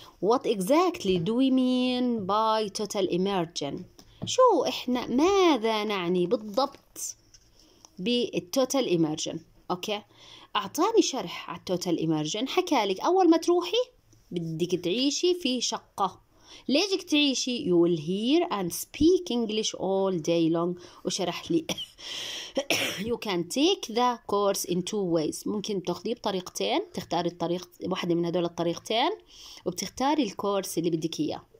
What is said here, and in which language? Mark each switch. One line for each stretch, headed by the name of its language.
English: What exactly do we mean by total immersion?
Arabic: شو إحنا ماذا نعني بالضبط بالtotal immersion؟ أوكي أعطاني شرح على total immersion. حكالك أول ما تروحي بدك تعيشي في شقة. ليش بدك تعيشي؟
English: You will hear and speak English all day long.
Arabic: وشرح لي
English: You can take the course in two ways.
Arabic: ممكن تاخذيه بطريقتين، تختاري الطريق واحدة من هذول الطريقتين وبتختاري الكورس اللي بدك إياه.